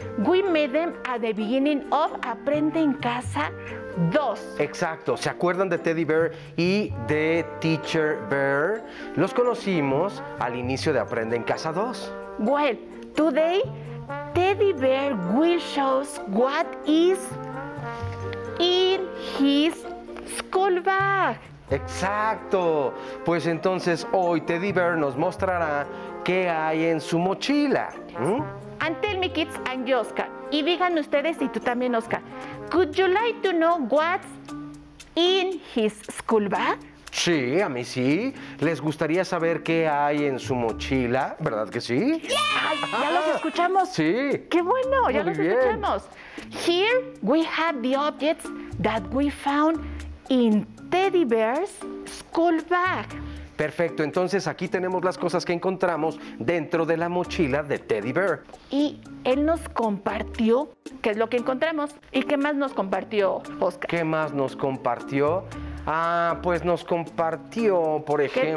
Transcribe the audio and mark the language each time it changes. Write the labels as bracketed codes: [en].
[en] We made them at the beginning of Aprende en Casa 2. [es] Exacto. ¿Se acuerdan de Teddy Bear y de Teacher Bear? Los conocimos al inicio de Aprende en Casa 2. [en] Well, today Teddy bear will show what is in his school bag. [es] ¡Exacto! Pues entonces hoy Teddy Bear nos mostrará qué hay en su mochila. [en] And tell me, kids, I'm Oscar. [es] Y digan ustedes, y tú también, Oscar. [en] Could you like to know what's in his school bag? [es] Sí, a mí sí. ¿Les gustaría saber qué hay en su mochila? ¿Verdad que sí? ¡Yeah! Ay, ¿ya los escuchamos? Sí. ¡Qué bueno! Muy ya los bien. Escuchamos. [en] Here we have the objects that we found in Teddy Bear's school bag. [es] Perfecto, entonces aquí tenemos las cosas que encontramos dentro de la mochila de Teddy Bear. Y él nos compartió qué es lo que encontramos. ¿Y qué más nos compartió, Oscar? ¿Qué más nos compartió? Ah, pues nos compartió, por ejemplo...